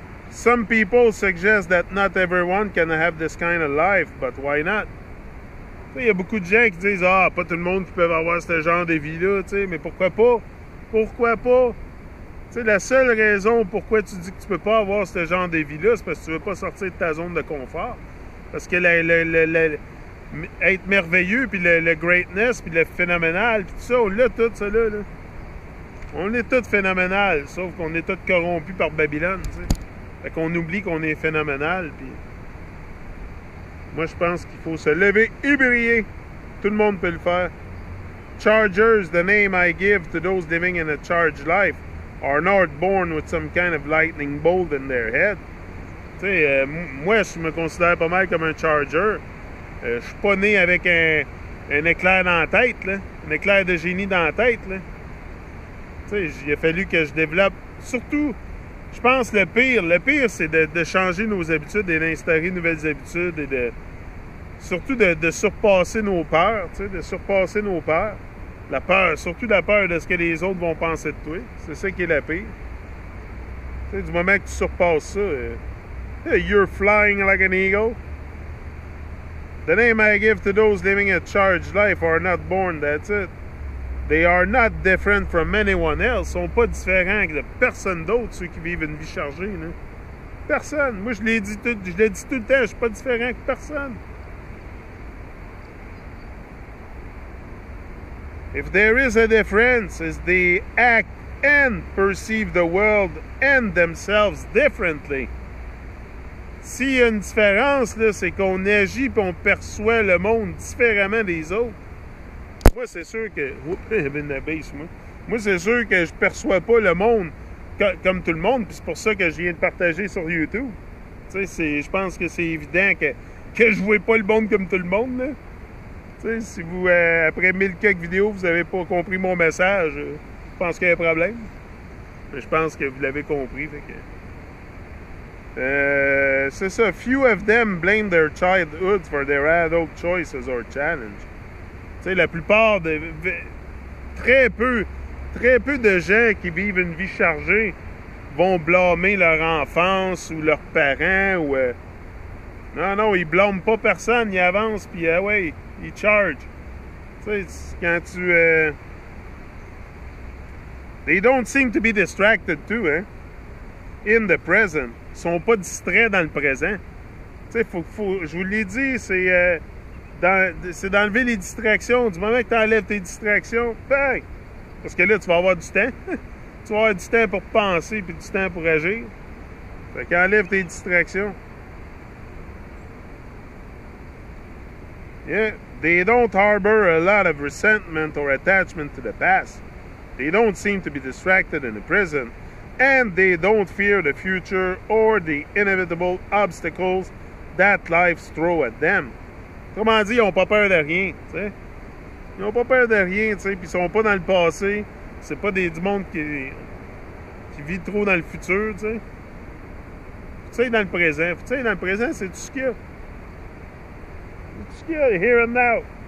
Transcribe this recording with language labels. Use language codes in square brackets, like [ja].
[en] Some people suggest that not everyone can have this kind of life, but why not? [fr] Il y a beaucoup de gens qui disent « Ah, pas tout le monde peut avoir ce genre de vie-là, tu sais, mais pourquoi pas? Pourquoi pas? » Tu sais, la seule raison pourquoi tu dis que tu peux pas avoir ce genre de vie-là, c'est parce que tu veux pas sortir de ta zone de confort. Parce que être merveilleux, puis le greatness, puis le phénoménal, puis tout ça, on l'a tout, ça, là. On est tout phénoménal, sauf qu'on est tout corrompu par Babylone, tu sais. Fait qu'on oublie qu'on est phénoménal, puis moi, je pense qu'il faut se lever et briller. Tout le monde peut le faire. [en] Chargers, the name I give to those living in a charged life, are not born with some kind of lightning bolt in their head. [fr] Tu sais, moi, je me considère pas mal comme un charger. Je suis pas né avec un éclair dans la tête, là. Un éclair de génie dans la tête, là. Tu sais, il a fallu que je développe, surtout... Je pense que le pire, c'est de changer nos habitudes et d'instaurer de nouvelles habitudes et surtout de surpasser nos peurs, tu sais, de surpasser nos peurs. La peur, surtout la peur de ce que les autres vont penser de toi. C'est ça qui est la pire. Tu sais, du moment que tu surpasses ça, [en] you're flying like an eagle. The name I give to those living a charged life are not born, that's it. They are not different from anyone else. [fr] Ils sont pas différents de personne d'autre, ceux qui vivent une vie chargée, non? Personne. Moi, je l'ai dit tout le temps, je suis pas différent que personne. [en] If there is a difference, is they act and perceive the world and themselves differently. [fr] S'il y a une différence, là, c'est qu'on agit et on perçoit le monde différemment des autres. Moi, c'est sûr que... Oups, j'avais une abeille sur moi. Moi, c'est sûr que je perçois pas le monde comme tout le monde, puis c'est pour ça que je viens de partager sur YouTube. Tu sais, je pense que c'est évident que je vois pas le monde comme tout le monde, là. sais, si vous, après 1000 quelques vidéos, vous n'avez pas compris mon message, je pense qu'il y a un problème. Mais je pense que vous l'avez compris. Fait que... c'est ça. [en] Few of them blame their childhood for their adult choices or challenge. [fr] Tu sais, la plupart de... Très peu de gens qui vivent une vie chargée vont blâmer leur enfance ou leurs parents ou... Non, ils blâment pas personne. Ils avancent, puis ils chargent. Tu sais, quand tu... [en] They don't seem to be distracted too, hein? In the present. [fr] Ils sont pas distraits dans le présent. Tu sais, faut, je vous l'ai dit, c'est d'enlever les distractions. Du moment que tu enlèves tes distractions, bang! Parce que là, tu vas avoir du temps. Tu vas avoir du temps pour penser puis du temps pour agir. Fait qu'enlève tes distractions. [en] Yeah. They don't harbor a lot of resentment or attachment to the past. They don't seem to be distracted in the present, and they don't fear the future or the inevitable obstacles that life throws at them. [fr] Comment dire, ils n'ont pas peur de rien, tu sais. Ils n'ont pas peur de rien, tu sais, puis ils ne sont pas dans le passé. Ce n'est pas du monde qui vit trop dans le futur, tu sais. Tu sais, dans le présent. Tu sais, dans le présent, c'est tout ce qu'il y a. C'est tout ce qu'il y a, [en] here and now.